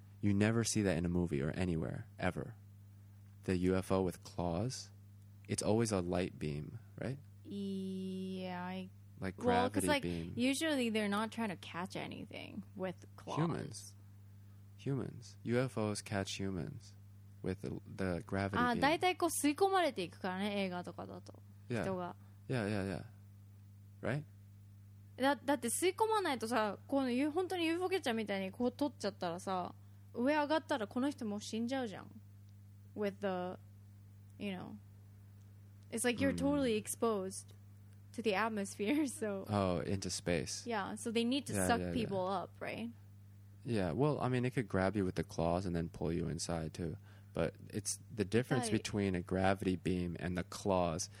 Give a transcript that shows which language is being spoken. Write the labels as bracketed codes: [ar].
[en] You never see that in a movie or anywhere, ever. The UFO with claws, it's always a light beam, right? Yeah. Like gravity beam. Well, because like usually they're not trying to catch anything with claws. Humans. UFOs catch humans. With the gravity beam. [ja] あ、だいたいこう吸い込まれていくからね、映画とかだと。 [en] Yeah. [ja] 人が。 [en] Yeah, yeah, yeah. Right? [ja] だって吸い込まないとさ、この本当に UFO キャッチャーみたいにこう取っちゃったらさ、上上がったらこの人も死んじゃうじゃん。 [en] With the, you know, it's like you're totally exposed to the atmosphere, so. Oh, into space. Yeah, so they need to suck people up, right? Yeah, well, I mean, it could grab you with the claws and then pull you inside too. But it's the difference between a gravity beam and the claws.